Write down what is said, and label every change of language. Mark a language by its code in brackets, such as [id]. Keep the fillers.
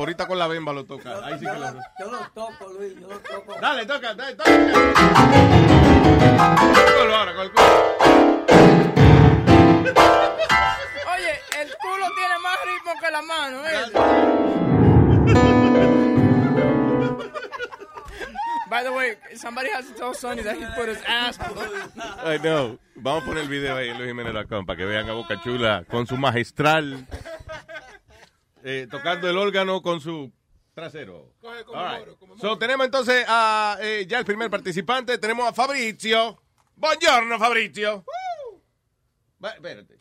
[es] Ahorita con la bemba lo toca. Yo lo toco, Luis. Yo lo toco. Dale, toca, dale, toca. Oye, el culo tiene más ritmo que la mano, ¿eh? [en] By the way, somebody has to tell Sonny that he put his ass on. I know. [es] Vamos a poner el video ahí en Luis Jiménez Lacón para que vean a Boca Chula con su magistral eh, tocando el órgano con su trasero. Coge right. so tenemos entonces a, eh, ya el primer participante. Tenemos a Fabrizio. Buongiorno, Fabrizio. Va, espérate.